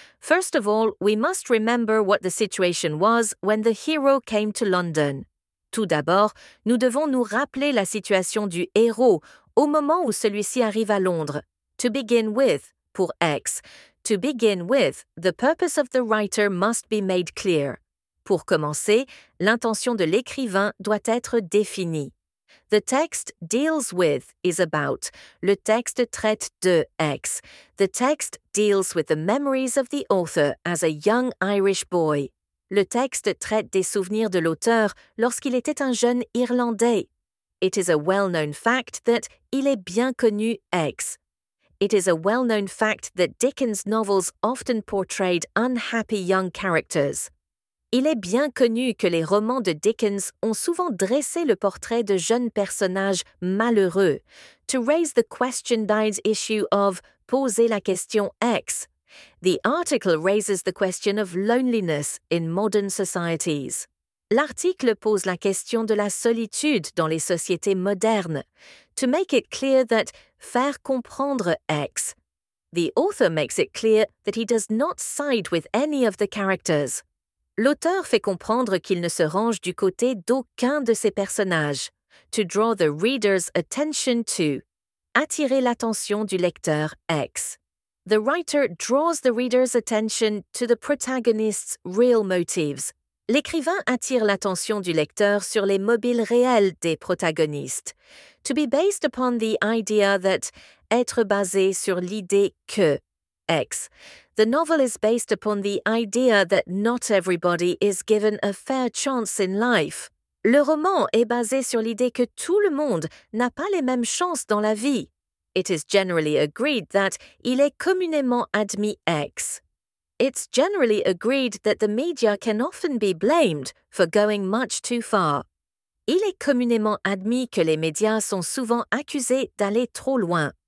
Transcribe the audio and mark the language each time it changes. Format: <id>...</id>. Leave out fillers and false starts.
<en>First of all, we must remember what the situation was when the hero came to London.</en> <fr>Tout d'abord, nous devons nous rappeler la situation du héros au moment où celui-ci arrive à Londres.</fr> <en>To begin with,</en> <fr>pour X.</fr> <en>To begin with, the purpose of the writer must be made clear.</en> <fr>Pour commencer, l'intention de l'écrivain doit être définie.</fr> <en>The text deals with is about.</en> <fr>Le texte traite de X.</fr> <en>The text deals with the memories of the author as a young Irish boy.</en> <fr>Le texte traite des souvenirs de l'auteur lorsqu'il était un jeune Irlandais.</fr> <en>It is a well-known fact that</en> <fr>il est bien connu X.</fr> <en>It is a well-known fact that Dickens' novels often portrayed unhappy young characters.</en> <fr>Il est bien connu que les romans de Dickens ont souvent dressé le portrait de jeunes personnages malheureux.</fr> <en>To raise the question died issue of</en> <fr>poser la question X.</fr> <en>The article raises the question of loneliness in modern societies.</en> <fr>L'article pose la question de la solitude dans les sociétés modernes.</fr> <en>To make it clear that</en> <fr>faire comprendre X.</fr> <en>The author makes it clear that he does not side with any of the characters.</en> <fr>L'auteur fait comprendre qu'il ne se range du côté d'aucun de ses personnages.</fr> <en>To draw the reader's attention to.</en> <fr>Attirer l'attention du lecteur X.</fr> <en>The writer draws the reader's attention to the protagonist's real motives.</en> <fr>L'écrivain attire l'attention du lecteur sur les mobiles réels des protagonistes.</fr> <en>To be based upon the idea that,</en> <fr>être basé sur l'idée que,</fr> <en>X. The novel is based upon the idea that not everybody is given a fair chance in life.</en> <fr>Le roman est basé sur l'idée que tout le monde n'a pas les mêmes chances dans la vie.</fr> <en>It is generally agreed that</en> <fr>il est communément admis X.</fr> <en>It's generally agreed that the media can often be blamed for going much too far.</en> <fr>Il est communément admis que les médias sont souvent accusés d'aller trop loin.</fr>